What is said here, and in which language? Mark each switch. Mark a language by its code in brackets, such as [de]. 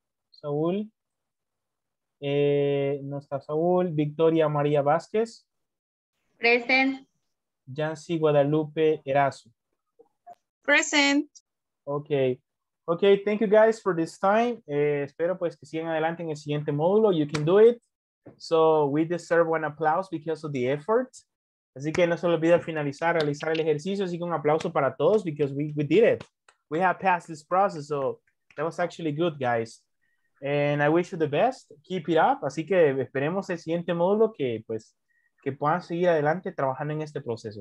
[es] Saúl. No está Saúl. Victoria María Vázquez. [en] Present. [es] Yancy Guadalupe Erazo. [en] Present. Ok. Ok, thank you guys for this time. [es] Espero pues que sigan adelante en el siguiente módulo. [en] You can do it. So we deserve one applause because of the effort. [es] Así que no se olvide al finalizar, realizar el ejercicio. Así que un aplauso para todos [en] because we did it. We have passed this process. So that was actually good, guys. And I wish you the best. Keep it up. [es] Así que esperemos el siguiente módulo que, pues, que puedan seguir adelante trabajando en este proceso.